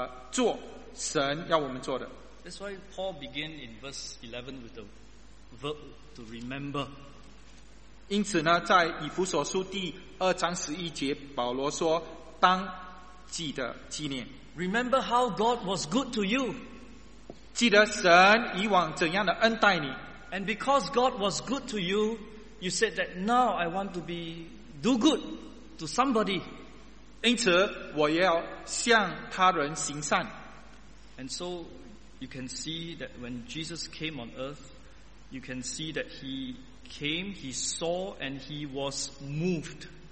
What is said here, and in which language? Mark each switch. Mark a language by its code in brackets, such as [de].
[zh] 所以这段经文给我们看到，因为我们受益的很多，那从我们的心里，我们也要去做神要我们做的。 [en] That's why Paul began in verse 11 with the verb to remember. [zh] 因此呢，在以弗所书第二章十一节，保罗说：“当记得纪念。”Remember [en] how God was good to you. [zh] 记得神以往怎样的恩待你。 [en] And because God was good to you, you said that now I want to be do good to somebody. [zh] 因此我要向他人行善。 [en] And so you can see that when Jesus came on earth, you can see that he came, he saw, and he was moved.